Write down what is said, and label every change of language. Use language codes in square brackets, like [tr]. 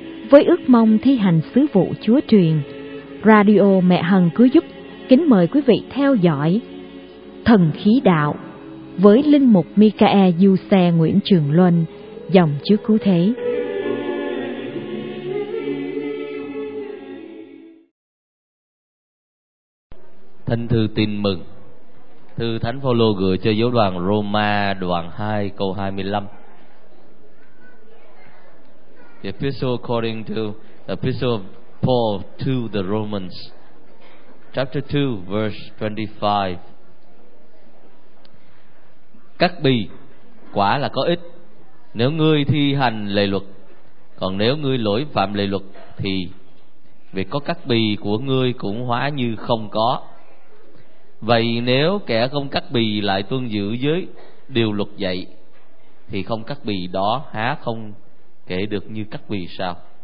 [vi] Với ước mong thi hành sứ vụ Chúa truyền, Radio Mẹ Hằng Cứu Giúp kính mời quý vị theo dõi Thần Khí Đạo với Linh Mục Mikae Du Xe Nguyễn Trường Luân, dòng Chúa Cứu Thế. Thánh thư tin mừng. Thư Thánh Phaolô gửi cho giáo đoàn Roma đoạn 2 câu 25. [en] The Epistle according to the Epistle of Paul to the Romans, chapter 2, verse 25. [vi] Cắt bì quả là có ích nếu ngươi thi hành lệ luật, còn nếu ngươi lỗi phạm lệ luật thì việc có cắt bì của ngươi cũng hóa như không có. Vậy nếu kẻ không cắt bì lại tuân giữ giới điều luật dạy, thì không cắt bì đó há không kể được như cắt bì sao?